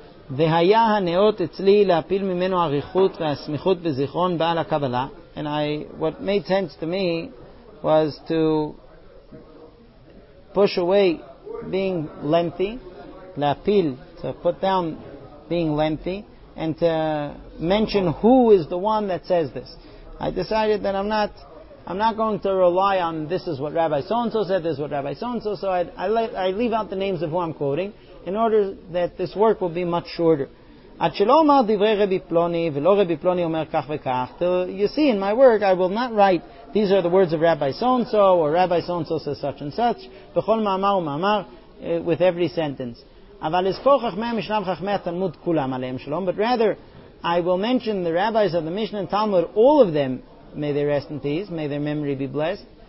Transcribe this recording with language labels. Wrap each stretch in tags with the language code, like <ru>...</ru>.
<he>והיה הנאות אצלי להפיל ממנו עריכות והסמיכות בזיכרון בעל הקבלה.</he> <en>And what made sense to me was to push away being lengthy,</en> <he>להפיל,</he> <en>to put down being lengthy, and to mention who is the one that says this. I decided that I'm not going to rely on this is what Rabbi so-and-so said, this is what Rabbi so-and-so said. I leave out the names of who I'm quoting in order that this work will be much shorter.</en> <he>עד שלא אמר דברי רבי פלוני ולא רבי פלוני אומר כך וכך.</he> <en>You see, in my work, I will not write these are the words of Rabbi so-and-so or Rabbi so-and-so says such and such.</en> <he>בכל מאמר ומאמר,</he> <en>with every sentence.</en> <he>אבל אזכור חכמי המשנה וחכמי התלמוד כולם עליהם שלום,</he> <en>but rather, I will mention the rabbis of the Mishnah and Talmud, all of them, may they rest in peace, may their memory be blessed.</en>